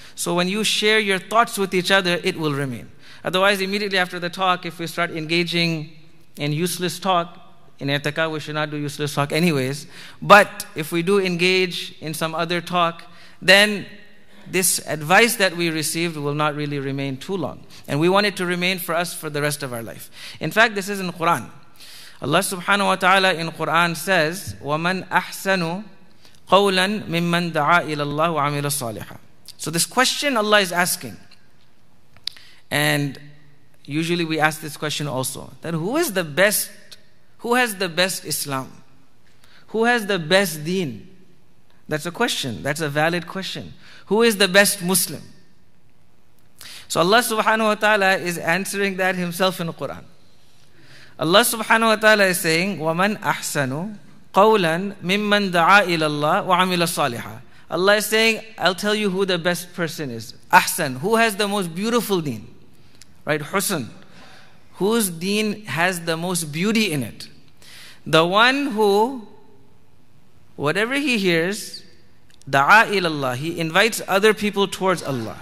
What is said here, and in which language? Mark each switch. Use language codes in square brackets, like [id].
[en] So when you share your thoughts with each other, it will remain. Otherwise, immediately after the talk, if we start engaging in useless talk, in i'tikaf, we should not do useless talk anyways. But if we do engage in some other talk, then this advice that we received will not really remain too long. And we want it to remain for us for the rest of our life. In fact, this is in Quran. Allah subhanahu wa ta'ala in Quran says, [ar] وَمَنْ أَحْسَنُ قَوْلًا مِمَّنْ دَعَى إِلَى اللَّهُ وَعَمِلَ الصَّالِحًا. [en] So this question Allah is asking, and usually we ask this question also, that who is the best, who has the best Islam? Who has the best deen? That's a question, that's a valid question. Who is the best Muslim? So Allah subhanahu wa ta'ala is answering that himself in the Quran. Allah subhanahu wa ta'ala is saying, [ar] وَمَنْ أَحْسَنُ قَوْلًا مِمَّنْ دَعَى إِلَى اللَّهِ وَعَمِلَ الصَّالِحًا. [en] Allah is saying, I'll tell you who the best person is. Ahsan, who has the most beautiful deen? Right, husn. Whose deen has the most beauty in it? The one who, whatever he hears, [ar] دَعَى إِلَى اللَّهِ, [en] he invites other people towards Allah.